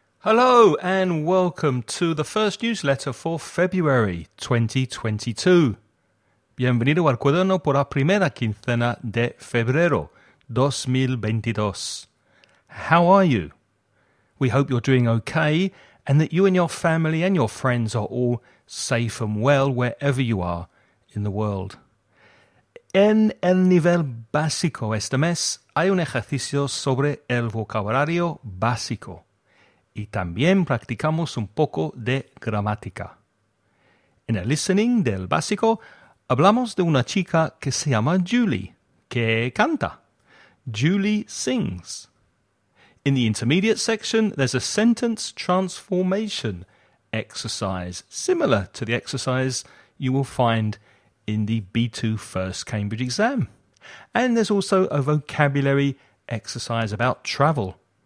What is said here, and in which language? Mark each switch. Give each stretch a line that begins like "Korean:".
English: Hello and welcome to the first newsletter for February 2022.
Spanish: Bienvenido al cuaderno por la primera quincena de febrero 2022.
English: How are you? We hope you're doing okay and that you and your family and your friends are all safe and well wherever you are in the world.
Spanish: En el nivel básico este mes hay un ejercicio sobre el vocabulario básico. Y también practicamos un poco de gramática. En el listening del básico, hablamos de una chica que se llama Julie, que canta.
English: Julie sings. In the intermediate section, there's a sentence transformation exercise, similar to the exercise you will find in the B2 First Cambridge exam. And there's also a vocabulary exercise about travel.